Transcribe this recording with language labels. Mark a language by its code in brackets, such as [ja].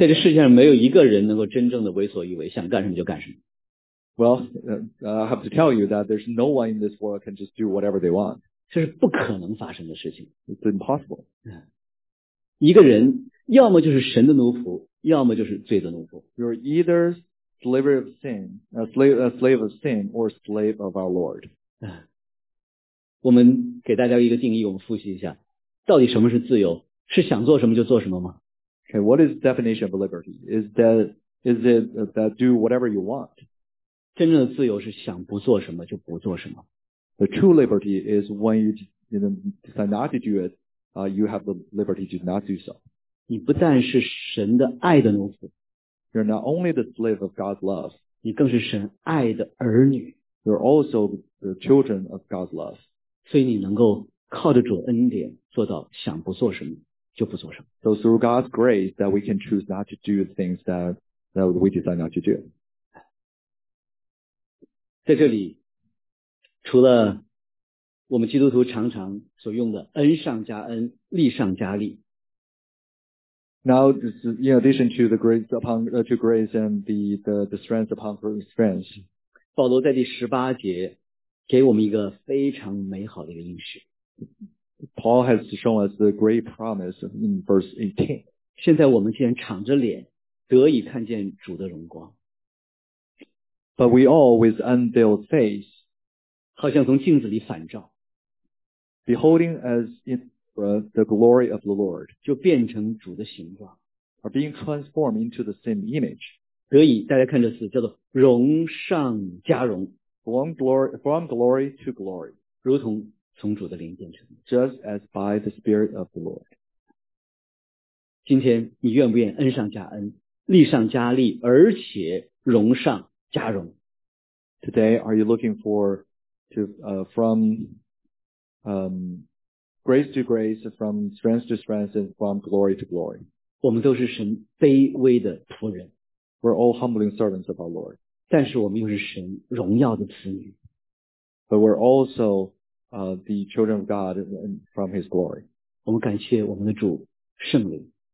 [zh] 在这世界上没有一个人能够真正的为所欲为，想干什么就干什么。 [en] Well, I have to tell you that there's no one in this world can just do whatever they want. [zh] 这是不可能发生的事情。 [en] It's impossible. [zh] 一个人要么就是神的奴仆，要么就是罪的奴仆。 [en] You're either slave of sin, a slave of sin, or slave of our Lord. [zh] 我们给大家一个定义，我们复习一下，到底什么是自由？是想做什么就做什么吗？ [en] Okay, what is the definition of liberty? Is it that do whatever you want? [zh] 真正的自由是想不做什么就不做什么。 [en] The true liberty is when you decide not to do it, you have the liberty to not do so. [zh] 你不但是神的爱的奴仆。 [en] You're not only the slave of God's love. [zh] 你更是神爱的儿女。 [en] You're also the children of God's love. [zh] 所以你能够靠着主恩典做到想不做什么。就不做什么。 [en] So through God's grace that we can choose not to do the things that we decide not to do. [zh] 在这里除了我们基督徒常常所用的恩上加恩，力上加力。 [en] Now, in addition to the grace upon to grace and the strength upon strength. [zh] 保罗在第十八节给我们一个非常美好的一个应许。 [en] Paul has shown us the great promise in verse 18. [zh] 现在我们既然敞着脸得以看见主的荣光。 [en] But we all with unveiled face, [zh] 好像从镜子里反照。 [en] Beholding as in the glory of the Lord, [zh] 就变成主的形状。 [en] Are being transformed into the same image. [zh] 得以大家看这词叫做荣上加荣。 [en] From glory to glory. [zh] 如同从主的灵变成。 [en] Just as by the Spirit of the Lord. [zh] 今天你愿不愿恩上加恩力上加力而且荣上加荣。 [en] Today, are you looking for to, from grace to grace, from strength to strength, and from glory to glory? [zh] 我们都是神卑微的仆人。 [en] We're all humbling servants of our Lord. [zh] 但是我们又是神荣耀的子女。 [en] But we're also, the children of God from His glory. [zh] 我们感谢我们的主圣灵。